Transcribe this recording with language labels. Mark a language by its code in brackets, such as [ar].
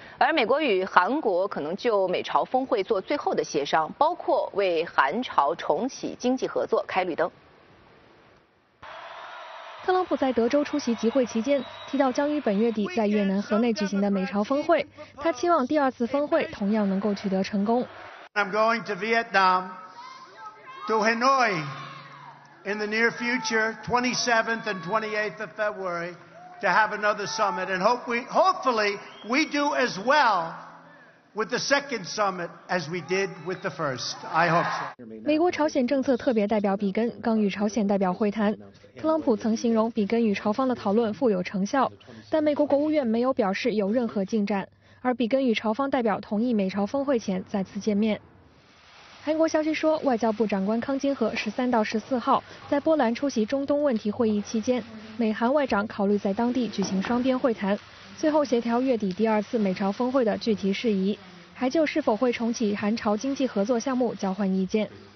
[zh] 而美国与韩国可能就美朝峰会做最后的协商，包括为韩朝重启经济合作开绿灯。特朗普在德州出席集会期间提到，将于本月底在越南河内举行的美朝峰会，他期望第二次峰会同样能够取得成功。 [en] I'm going to Vietnam, to Hanoi, in the near future, 27th and 28th of February, to have another summit, and hopefully we do as well. With the second summit as we did with the first, I hope so. [zh] 美国朝鲜政策特别代表比根刚与朝鲜代表会谈，特朗普曾形容比根与朝方的讨论富有成效，但美国国务院没有表示有任何进展，而比根与朝方代表同意美朝峰会前再次见面。韩国消息说，外交部长官康金和13到14号在波兰出席中东问题会议期间，美韩外长考虑在当地举行双边会谈，最后协调月底第二次美朝峰会的具体事宜，还就是否会重启韩朝经济合作项目交换意见。